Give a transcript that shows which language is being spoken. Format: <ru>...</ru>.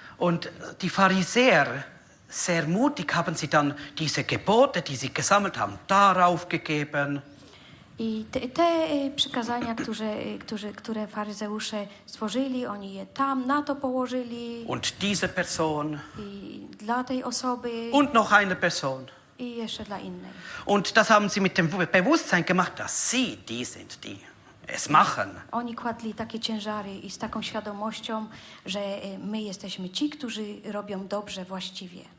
<de>Und die Pharisäer, sehr mutig, haben sie dann diese Gebote, die sie gesammelt haben, darauf gegeben.</de> <pl>I te przykazania, które faryzeusze stworzyli, oni je tam na to położyli.</pl> <de>Und diese Person.</de> <pl>I dla tej osoby.</pl> <de>Und noch eine Person.</de> <pl>I jeszcze dla innej.</pl> <de>Und das haben sie mit dem Bewusstsein gemacht, dass sie die sind, die es machen.</de> <pl>Oni kładli takie ciężary i z taką świadomością, że my jesteśmy ci, którzy robią dobrze właściwie.</pl>